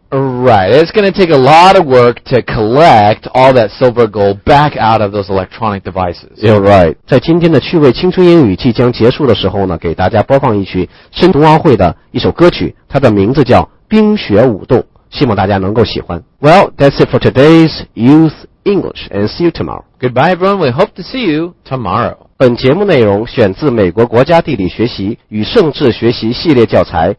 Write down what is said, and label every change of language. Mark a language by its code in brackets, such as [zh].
[en] Right, it's going to take a lot of work to collect all that silver gold back out of those electronic devices. You're right. [zh] 在今天的趣味青春英语即将结束的时候呢，给大家播放一曲深冬奥会的一首歌曲，它的名字叫《冰雪舞动》，希望大家能够喜欢。 [en] Well, that's it for today's Youth English, and see you tomorrow. Goodbye, everyone. We hope to see you tomorrow. [zh] 本节目内容选自美国国家地理学习与政治学习系列教材。